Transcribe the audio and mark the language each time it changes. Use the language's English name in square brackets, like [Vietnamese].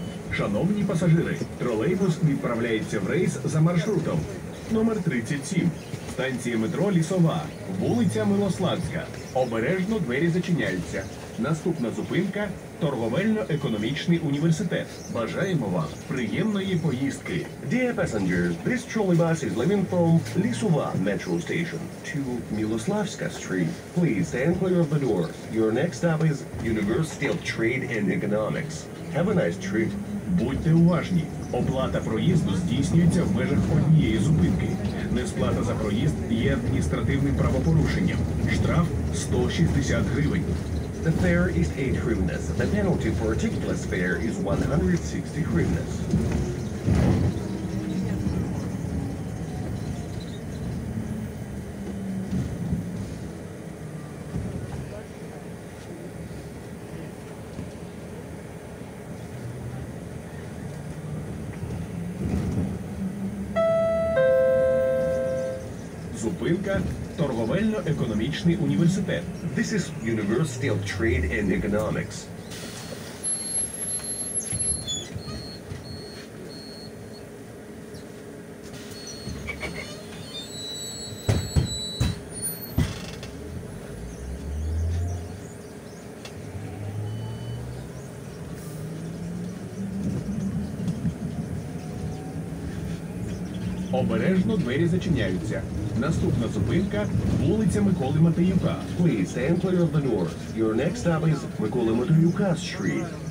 [Ukrainian] Шановні пасажири, троллейбус відправляється в рейс за маршрутом номер 37, станція метро Лісова, вулиця Милославська. Обережно, двері зачиняються. Наступна зупинка – Торговельно-економічний університет. Бажаємо вам приємної поїздки. [English] Dear passengers, this trolley bus is leaving from Lisuva Metro Station to Miloslavska Street. Please stand clear of the doors. Your next stop is University of Trade and Economics. Have a nice trip. [Ukrainian] Будьте уважні. Оплата проїзду здійснюється в межах однієї зупинки. Несплата за проїзд є адміністративним правопорушенням. Штраф – 160 гривень. [English] The fare is 8 hryvnias. The penalty for a ticketless fare is 160 hryvnias. [Ukrainian] Зупинка Торговельно-економічний університет. [English] This is University of Trade and Economics. [Ukrainian] Обережно, двері зачиняються. Наступна зупинка – вулиця Миколи Матеюка. [English] Please stand clear of the doors. Your next stop is Миколи Матеюка Street.